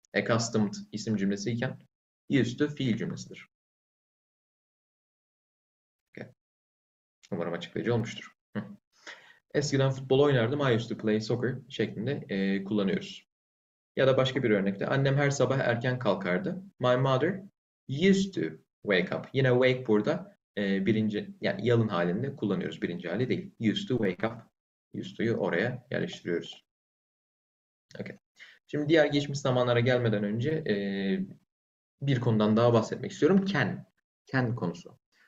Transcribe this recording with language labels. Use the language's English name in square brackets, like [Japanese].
[Turkish] Accustomed isim cümlesi iken used to fiil cümlesidir. Okay. Umarım açıklayıcı olmuştur. Eskiden futbol oynardım. [English] I used to play soccer [Turkish] şeklinde kullanıyoruz. Ya da başka bir örnekte. Annem her sabah erken kalkardı. [English] My mother used to wake up. [Turkish] Yine wake burada birinci, yani yalın halinde kullanıyoruz. Birinci hali değil. Used to wake up. Used to'yu oraya yerleştiriyoruz. Okay. Şimdi diğer geçmiş zamanlara gelmeden önce bir konudan daha bahsetmek istiyorum. Can. Can konusu.